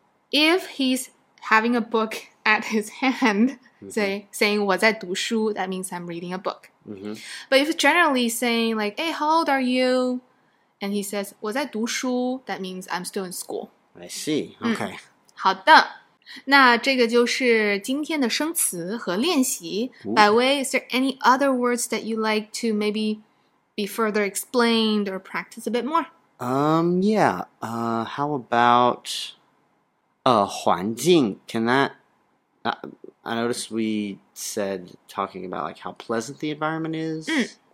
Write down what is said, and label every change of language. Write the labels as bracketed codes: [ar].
[en] If he's having a book at his hand, saying [zh] 我在读书 [en] that means I'm reading a book. Mm-hmm. But if generally saying like, hey, how old are you? And he says [zh] 我在读书 [en] that means I'm still in school. I see, okay. [zh] 好的。那这个就是今天的生词和练习。 [en] By way, is there any other words that you'd like to maybe be further explained or practice a bit more? How about 环境?Can that... I noticed we said talking about like how pleasant the environment is.